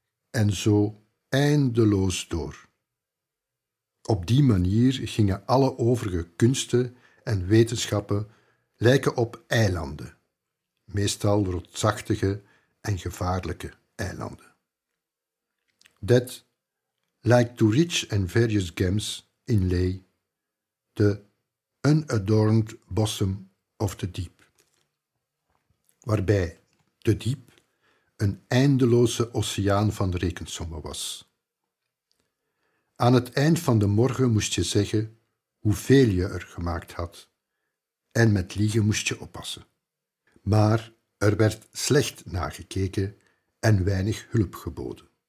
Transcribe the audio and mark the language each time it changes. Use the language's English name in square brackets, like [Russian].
[Dutch] En zo eindeloos door. Op die manier gingen alle overige kunsten en wetenschappen lijken op eilanden. Meestal rotsachtige en gevaarlijke eilanden. [English] That, like to rich and various gems in lay, the unadorned bosom of the deep. [Dutch] Waarbij de diep een eindeloze oceaan van rekensommen was. Aan het eind van de morgen moest je zeggen hoeveel je er gemaakt had. En met liegen moest je oppassen. Maar er werd slecht nagekeken en weinig hulp geboden.